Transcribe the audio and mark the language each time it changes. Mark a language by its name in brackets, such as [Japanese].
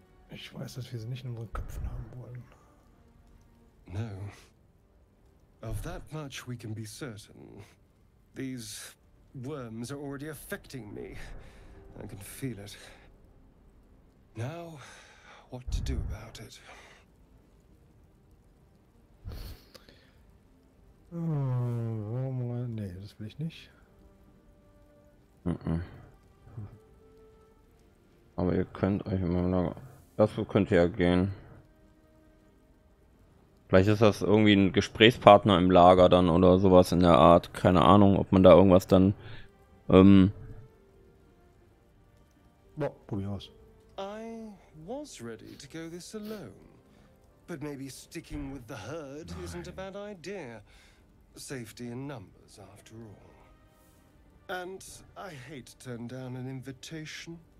[German] Ich weiß, dass wir sie nicht in unseren Köpfen haben wollen. [English] No. Of that much we can be certain. These worms are already affecting me. I can feel it. Now, what to do about it? [German] Warum? Oh, nee, das will ich nicht. Mm-mm. Aber ihr könnt euch in meinem Lager. Das könnte ja gehen. Vielleicht ist das irgendwie ein Gesprächspartner im Lager dann oder sowas in der Art. Keine Ahnung, ob man da irgendwas dann. Ja, probier aus. [English] I was ready to go this alone. But maybe sticking with the herd isn't a bad idea. Safety in numbers, after all. And I hate to turn down an invitation.